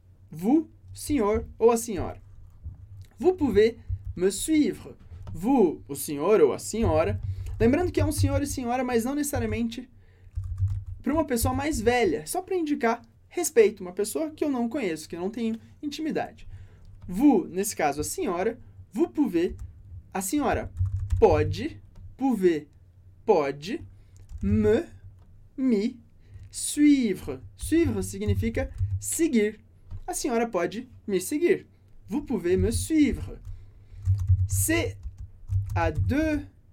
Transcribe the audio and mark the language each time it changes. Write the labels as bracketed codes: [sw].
[fr] Vous, [pt] senhor ou a senhora. [fr] Vous pouvez me suivre. [pt] Vous, o senhor ou a senhora. Lembrando que é um senhor e senhora, mas não necessariamente para uma pessoa mais velha. Só para indicar respeito, uma pessoa que eu não conheço, que eu não tenho intimidade. Vous, nesse caso, a senhora. [fr] Vous pouvez, [pt] a senhora, pode, pouvez, pode, me, suivre. Suivre significa seguir. A senhora pode me seguir. [fr] Vous pouvez me suivre. C'est à deux